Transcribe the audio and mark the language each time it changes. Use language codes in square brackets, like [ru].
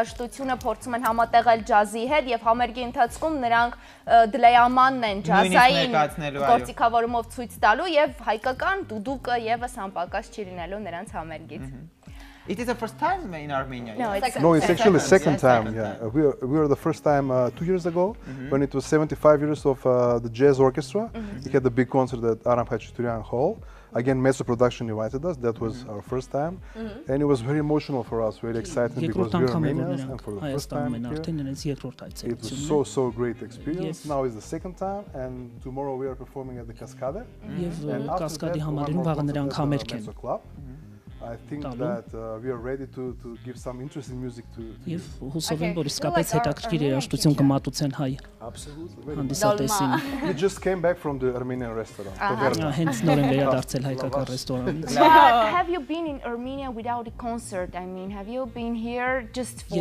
[hy] են։ Այո, որ նրանք միքսում են հայկական ավանդական երաժշտությունը, փորձում են համատեղել ջազի հետ, եւ համերգի ընթացքում նրանք դլեյամանն են ջազային գործիքավորումով ցույց տալու, եւ հայկական դուդուկը եւս անպակաս չի լինելու նրանց համերգից։ [en] It is the first time in Armenia. No, it's actually the second time. We were the first time 2 years ago when it was 75 years of the jazz orchestra. We had the big concert at Aram Khachaturian Hall. Again, Mezzo Production invited us. That was our first time. And it was very emotional for us, very exciting because we are Armenians and for the first time here. It was so, so great experience. Now is the second time and tomorrow we are performing at the Cascade. And after that, one more concert at the Mezzo Club. I think that we are ready to give some interesting music to [hy] Եվ հուսով եմ, որ իսկապես հետաքրքիր երաժշտություն կմատուցեն հայ։ Հանդիսատեսին։ [en] We just came back from the Armenian restaurant. [hy] Հենց նոր եմ վերադարձել հայկական ռեստորանից։ [en] Have you been in Armenia without a concert? I mean, have you been here just for